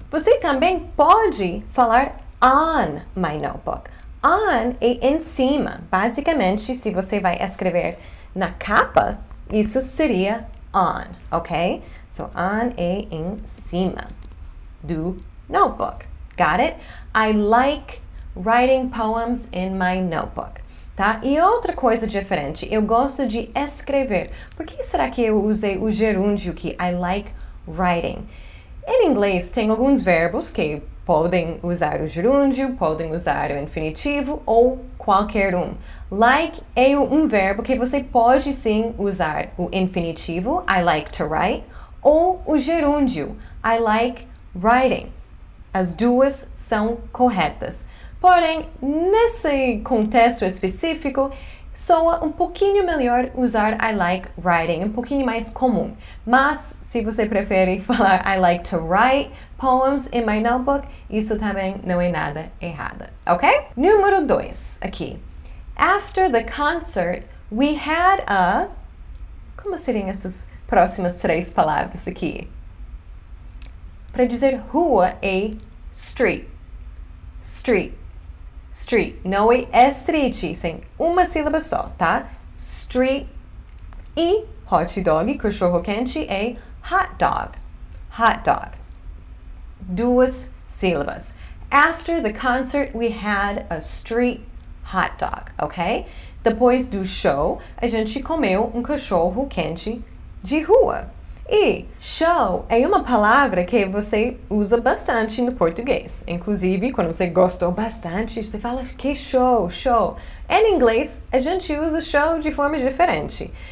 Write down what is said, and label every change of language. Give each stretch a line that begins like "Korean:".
Portuguese: Você também pode falar
English: on my notebook.
Portuguese: On é em cima. Basicamente, se você vai escrever na capa, isso seria on, ok? So, on é em cima do notebook.
English: Got it? I like writing poems in my notebook.
Portuguese: Tá? E outra coisa diferente, eu gosto de escrever. Por que será que eu usei o gerúndio que
English: I like writing?
Portuguese: Em inglês, tem alguns verbos que podem usar o gerúndio, podem usar o infinitivo ou qualquer um. Like é um verbo que você pode sim usar o infinitivo,
English: I like to write,
Portuguese: ou o gerúndio,
English: I like writing.
Portuguese: As duas são corretas. Porém, nesse contexto específico, soa um pouquinho melhor usar
English: I like writing,
Portuguese: um pouquinho mais comum. Mas, se você prefere falar
English: I like to write poems in my notebook,
Portuguese: isso também não é nada errado, ok? Número 2, aqui.
English: After the concert, we had a...
Portuguese: Como seriam essas próximas três palavras aqui? Para dizer rua é street. Street. Street, não é street, sem uma sílaba só, tá? Street. E hot dog, cachorro quente, é hot dog. Hot dog. Duas sílabas.
English: After the concert, we had a street hot dog, ok?
Portuguese: Depois do show, a gente comeu um cachorro quente de rua. E show é uma palavra que você usa bastante no português. Inclusive, quando você gostou bastante, você fala que show, show. Em inglês, a gente usa show de forma diferente.